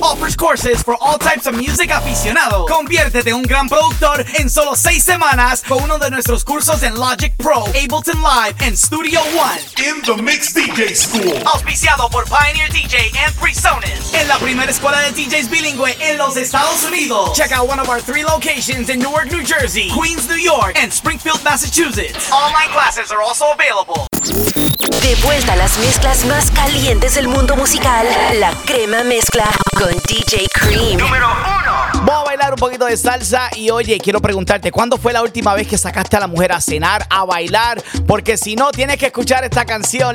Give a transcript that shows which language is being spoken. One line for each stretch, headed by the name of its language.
English: Offers courses for all types of music aficionados.
Spanish: Conviértete en un gran productor en solo 6 semanas con uno de nuestros cursos en Logic Pro, Ableton Live and Studio One.
English: In the Mix DJ School.
Spanish: Auspiciado por Pioneer DJ and Freesonus. En la primera escuela de DJs bilingüe en los Estados Unidos.
English: Check out one of our 3 locations in Newark, New Jersey, Queens, New York and Springfield, Massachusetts. Online classes are also available.
Spanish: De vuelta a las mezclas más calientes del mundo musical. La crema mezcla con DJ Cream. Número 1. Voy a bailar un poquito de salsa. Y oye, quiero preguntarte, ¿cuándo fue la última vez que sacaste a la mujer a cenar, a bailar? Porque si no, tienes que escuchar esta canción.